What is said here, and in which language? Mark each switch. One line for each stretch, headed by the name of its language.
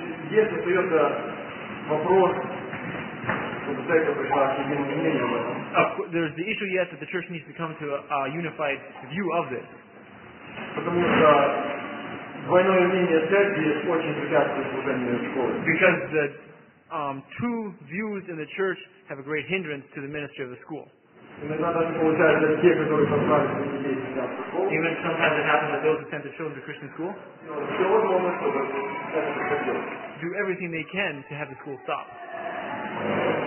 Russian: Есть остается вопрос, чтобы церковь пришла к единому мнению об этом.
English: There's the issue yet that the church needs to come to a unified view of this.
Russian: Потому что двойное мнение церкви очень препятствует служению школы.
English: Because the two views in the church have a great hindrance to the ministry of the school. Even sometimes it happens that those who send their children to Christian school do everything they can to have the school stop.